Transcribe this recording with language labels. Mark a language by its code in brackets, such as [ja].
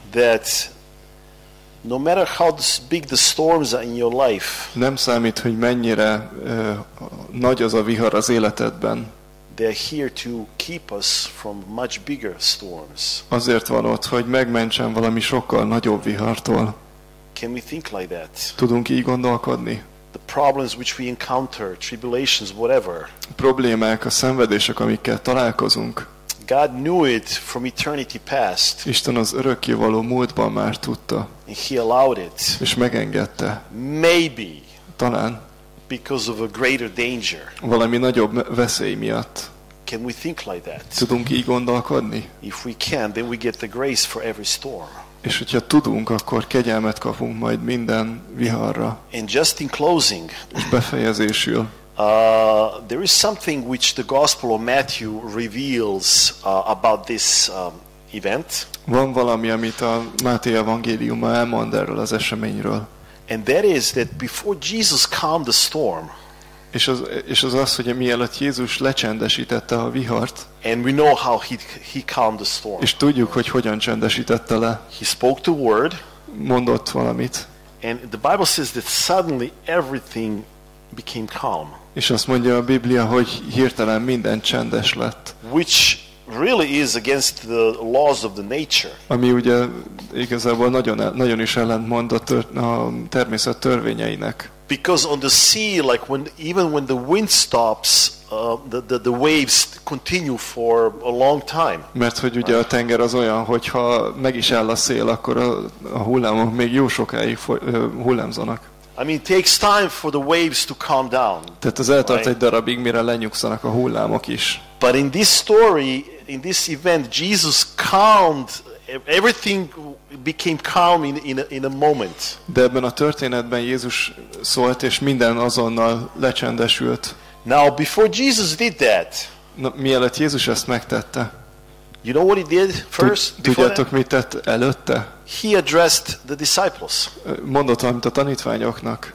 [en] That No matter how big the storms are in your life. [hu] Nem számít, hogy mennyire nagy az a vihar az életedben. [en] They are here to keep us from much bigger storms. [hu] Azért van ott, hogy megmentsen valami sokkal nagyobb vihartól. [en] Can we think like that? [hu] Tudunk így gondolkodni? [en] The problems which we encounter, tribulations, whatever. [hu] Problémák, a szenvedések, amikkel találkozunk. [en] God knew it from eternity past. [hu] Isten az örökkévaló múltban már tudta. [en] And he allowed it. [hu] És megengedte. [en] Maybe. [hu] Talán. [en] Because of a greater danger. [hu] Valami nagyobb veszély miatt. [en] Can we think like that? [hu] Tudunk így gondolkodni? [en] If we can, then we get the grace for every storm. [hu] És hogyha tudunk, akkor kegyelmet kapunk majd minden viharra. [en] And just in closing. [hu] És befejezésül. [en] There is something which the Gospel of Matthew reveals about this event. [hu] Van valami, amit a Máté evangéliuma elmond erről az eseményről. [en] And that is that before Jesus calmed the storm. [hu] És az, hogy mielőtt Jézus lecsendesítette a vihart. [en] And we know how he calmed the storm. [hu] És tudjuk, hogy hogyan csendesítette le. [en] He spoke the word. [hu] Mondott valamit. [en] And the Bible says that suddenly everything became calm. [hu] És azt mondja a Biblia, hogy hirtelen minden csendes lett. [en] Which really is against the laws of the nature. [hu] Ami ugye igazából nagyon is ellentmond a természet törvényeinek. [en] Because on the sea, like when even when the wind stops, the waves continue for a long time. [hu] Mert hogy ugye a tenger az olyan, hogy ha meg is áll a szél, akkor a hullámok még jó sokáig hullámzanak. [en] I mean, it takes time for the waves to calm down. [hu] Tehát ez eltart egy darabig, mire lenyugszanak a hullámok is. [en] But in this story, in this event, Jesus calmed everything, became calm in a moment. [hu] De ebben a történetben Jézus szólt, és minden azonnal lecsendesült. [en] Now, before Jesus did that, [hu] mielőtt Jézus ezt megtette, [en] you know what he did first? [hu] Tudjátok, mit tett előtte? [en] He addressed the disciples. [hu] Mondott valamit a tanítványoknak.